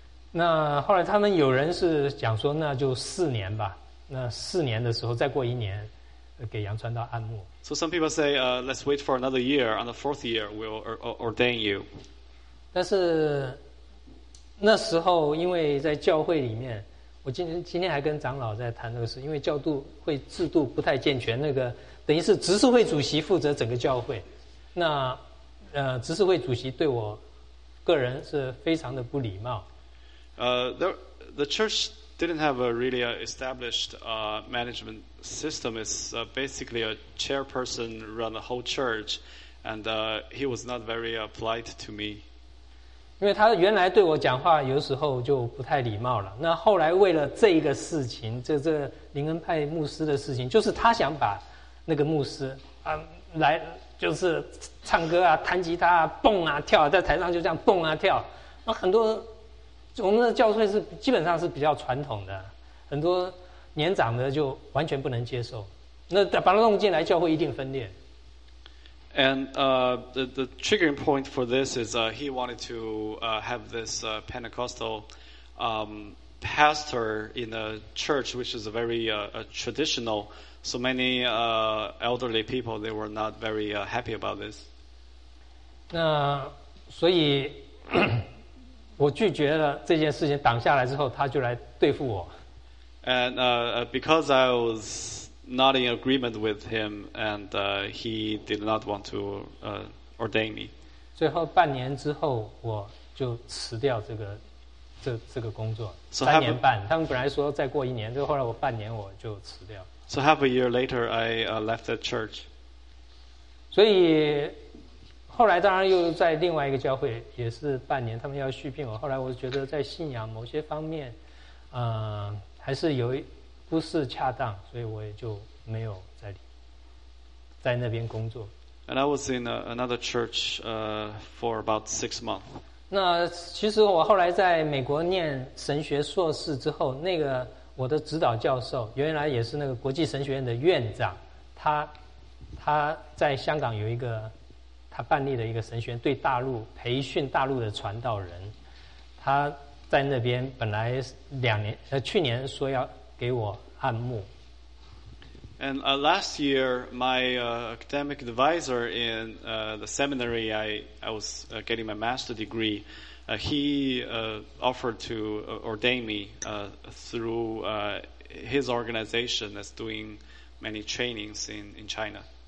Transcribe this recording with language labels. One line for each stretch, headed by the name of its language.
Chinese: 那后来他们有人是讲说那就四年吧那四年的时候再过一年给杨川道按牧
English: So some people say let's wait for another year on the fourth year we'll ordain you
Chinese: 但是那时候因为在教会里面我今天还跟长老在谈这个事因为教会制度不太健全那个等于是执事会主席负责整个教会那执事会主席对我个人是非常的不礼貌
English: The church didn't have a really established management system. It's basically a chairperson run the whole church, and he was not very polite to me.
Chinese: 因为他原来对我讲话有时候就不太礼貌了。那后来为了这一个事情，这林恩派牧师的事情，就是他想把那个牧师来就是唱歌啊、弹吉他啊、蹦啊、跳啊，在台上就这样蹦啊跳，那很多。我们的教会是基本上是比较传统的，很多年长的就完全不能接受。那把他弄进来，教会一定分裂。
English: And the triggering point for this is he wanted to have this Pentecostal pastor in a church which is very traditional. So many elderly people they were not very happy about this.
Chinese: 那所以。我拒绝了这件事情挡下来之后他就来对付我
English: and because I was not in agreement with him and he did not want to ordain me
Chinese: 最后半年之后我就辞掉这个工作、
English: so、
Chinese: 三年半他们本来说再过一年就后来我半年我就辞掉
English: so half a year later I left the church
Chinese: 所以后来当然又在另外一个教会也是半年他们要续聘我后来我觉得在信仰某些方面还是有不是恰当所以我也就没有在那边工作
English: And I was in another church for about 6 months
Chinese: 那其实我后来在美国念神学硕士之后，那个我的指导教授原来也是那个国际神学院的院长，他在香港有一个他办立的一个神学院，对大陆培训大陆的传道人。他在那边本来去年说要给我按牧。
English: And last year, my academic advisor in the seminary I was getting my master's degree, he offered to ordain me through his organization that's doing many trainings in China.